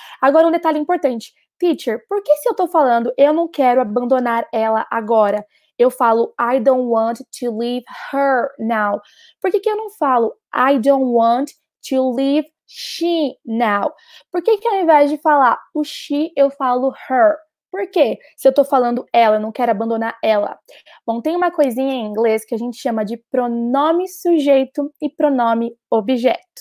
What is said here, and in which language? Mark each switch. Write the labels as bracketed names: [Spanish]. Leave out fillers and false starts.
[Portuguese] Agora, um detalhe importante. Teacher, por que se eu tô falando eu não quero abandonar ela agora? eu falo [English] I don't want to leave her now. [Portuguese] Por que que eu não falo [English] I don't want to leave she now? [Portuguese] Por que que ao invés de falar o she, eu falo her? Por quê? Se eu tô falando ela, eu não quero abandonar ela. Bom, tem uma coisinha em inglês que a gente chama de pronome sujeito e pronome objeto.